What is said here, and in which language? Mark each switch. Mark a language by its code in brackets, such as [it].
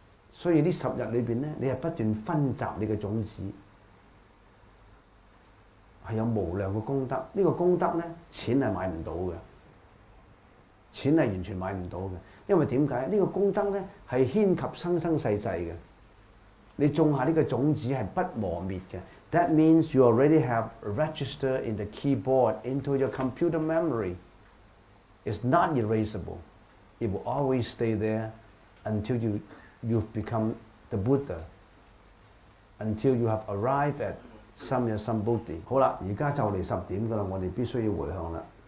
[yue] 所以呢十日裏面咧，你係不斷分集你嘅種子，係有無量嘅功德。呢個功德咧，錢係買唔到嘅，錢係完全買唔到嘅。因為點解？呢個功德咧係牽及生生世世嘅。你種下呢個種子係不磨滅嘅。 [en] That means you already have registered in the keyboard into your computer memory. It's not erasable. It will always stay there until you've become the Buddha. Until you have arrived at Samya Sambuddhi. [yue] 好啦，而家就嚟十點噶啦，我哋必須要回向啦。